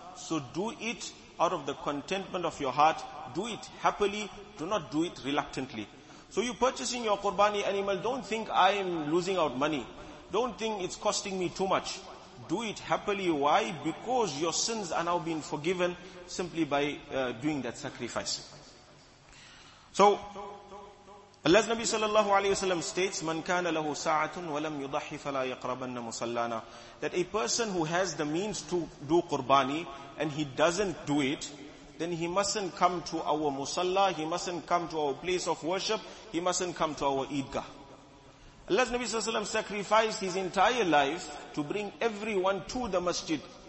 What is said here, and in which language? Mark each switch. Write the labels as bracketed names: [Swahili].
[English] So do it out of the contentment of your heart. Do it happily. Do not do it reluctantly. So you're purchasing your qurbani animal. Don't think I'm losing out money. Don't think it's costing me too much. Do it happily. Why? Because your sins are now being forgiven simply by doing that sacrifice. So Allah's Nabi sallallahu alayhi wa sallam states, [Arabic] مَنْ كَانَ لَهُ سَاعَةٌ وَلَمْ يُضَحِّ فَلَا يَقْرَبَنَّ مُسَلَّانَا. [English] That a person who has the means to do qurbani and he doesn't do it, then he mustn't come to our musalla, he mustn't come to our place of worship, he mustn't come to our Eidgah. Allah's Nabi sallallahu alayhi wa sallam sacrificed his entire life to bring everyone to the masjid.